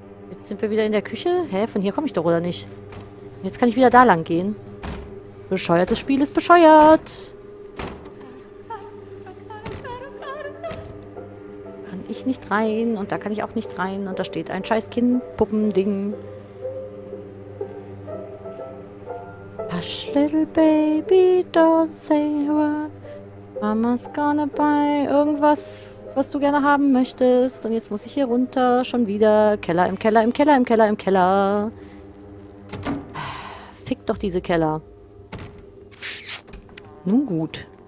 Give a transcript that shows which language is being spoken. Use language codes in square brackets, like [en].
[de] Jetzt sind wir wieder in der Küche. Hä, von hier komme ich doch, oder nicht? Jetzt kann ich wieder da lang gehen. Bescheuertes Spiel ist bescheuert. Kann ich nicht rein. Und da kann ich auch nicht rein. Und da steht ein scheiß Kind. Puppending. [en] Hush, little baby, don't say a word. Mama's gonna buy [de] irgendwas, was du gerne haben möchtest. Und jetzt muss ich hier runter. Schon wieder. Keller im Keller im Keller im Keller im Keller. Fick doch diese Keller. Nun gut.